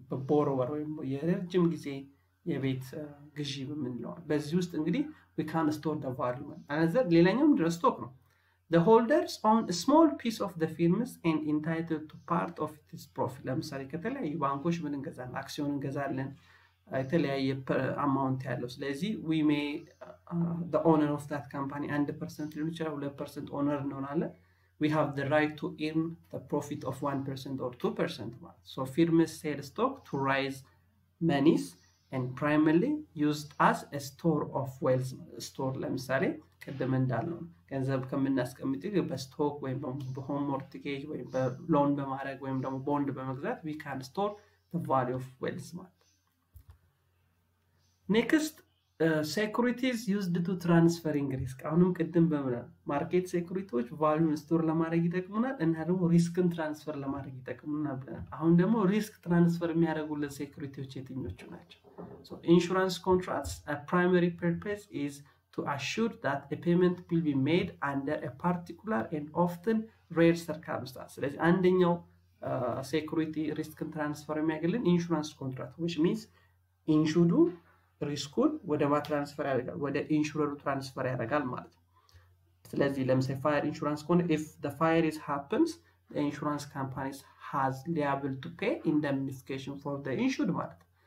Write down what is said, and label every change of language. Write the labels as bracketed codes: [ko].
[am] borrower የረጅም ጊዜ የቤት ግዢ ምንለዋል በዚህ ውስጥ እንግዲህ [en] we can store the value another [am] ሌላኛውም ድረስ stock ነው [en] the holders own a small piece of the firms and entitled to part of its profit [am] ለምሳሌ ከተለያየ ባንኮች ምን እንገዛለን አክሲዮን እንገዛለን የተለያየ amount ያለው ስለዚህ [en] we may the owner of that company [am] 100% ሊሆን ይችላል 2% owner እንሆናለን [en] we have the right to earn the profit of 1% or 2%. So firms sell stock to raise monies and primarily used as a store of wealth. [am] Store, ለምሳሌ ቀደም እንዳልነው ገንዘብ ከምናስቀምጥ በስቶክ ወይም በሆም ሞርቲጌጅ ወይም በሎን በማረግ ወይም ደግሞ ቦንድ በመግዛት [en] we can store the value of wealth. Next, securities used to transferring risk. [am] አሁንም ቀደም በመላ ማርኬት ሴኩሪቲዎች ቫልዩን ስቶር ለማድረግ ይጠቅሙናል እና ደግሞ ሪስክን ትራንስፈር ለማድረግ ይጠቅሙናል። አሁን ደግሞ ሪስክ ትራንስፈር የሚያደርጉልን ሴኩሪቲዎች የትኞቹ ናቸው? [en] So insurance contracts, a primary purpose is to assure that a payment will be made under a particular and often rare circumstance. [am] ስለዚህ አንደኛው security ሪስክን ትራንስፈር የሚያደርግልን insurance contract, [en] which means insured [am] ሪስኩን ወደ ማ ትራንስፈር ያደርጋል ወደ ኢንሹረሩ ትራንስፈር ያደርጋል ማለት ነው። ስለዚህ ለምሳሌ ፋየር ኢንሹራንስ ኮን [en] if the fire is happens the insurance companies has liable to pay indemnification for the insured [am] market.